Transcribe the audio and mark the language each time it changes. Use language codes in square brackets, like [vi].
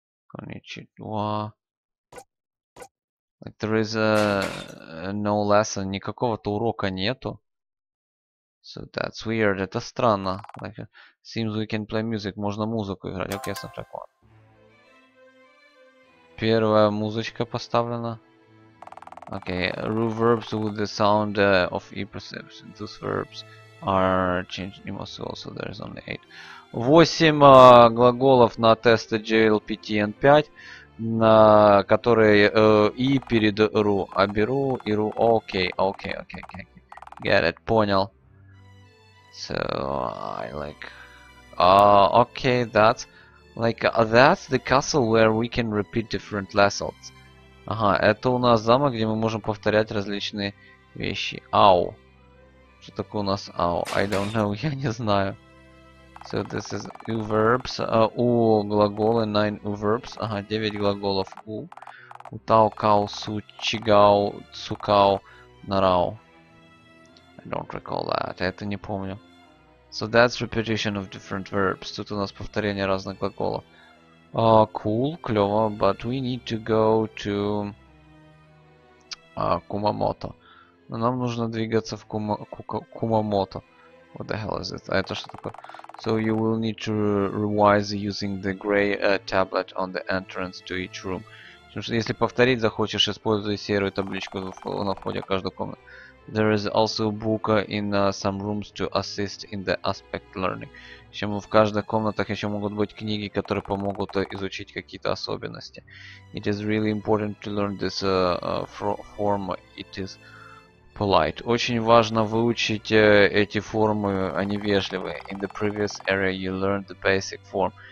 [en] Konnichiwa. Like there is no lesson. [ru] Никакого-то урока нету. [en] So that's weird. [ru] Это странно. [en] Like, seems we can play music. [ru] Можно музыку играть. [en] Окей, okay, soundtrack one. [ru] Первая музычка поставлена. [en] Okay, root verbs with the sound of e perception. Those verbs are changed in masu also, there is only 8. [ru] 8 глаголов на тесты JLPT N5, на которые и перед ru, а беру и ru. [en] Okay. Get it, понял. So, I like... okay, that's... Like, that's the castle where we can repeat different lessons. [ru] Ага, это у нас замок, где мы можем повторять различные вещи. Ау. Что такое у нас ау? [en] I don't know, [ru] я не знаю. [en] So, this is u verbs. [ru] U глаголы, [en] 9 u verbs. [ru] Ага, 9 глаголов u. Утау, кау, су, чигау, цукау, нарау. [en] I don't recall that, [ru] это не помню. [en] So that's repetition of different verbs. [ru] Тут у нас повторение разных глаголов. [en] Cool, клёво, but we need to go to Kumamoto. [ru] Но нам нужно двигаться в Kumamoto. [en] What the hell is it? [ru] А это что такое? [en] So you will need to revise using the gray tablet on the entrance to each room. [ru] Потому что если повторить захочешь, используй серую табличку на входе каждой комнаты. [en] There is also a book in some rooms to assist in the aspect learning. [ru] Чем в каждых комнатах еще могут быть книги, которые помогут изучить какие-то особенности. [en] It is really important to learn this form. It is polite. [ru] Очень важно выучить эти формы, они вежливые. [en] In the previous area you learned the basic form.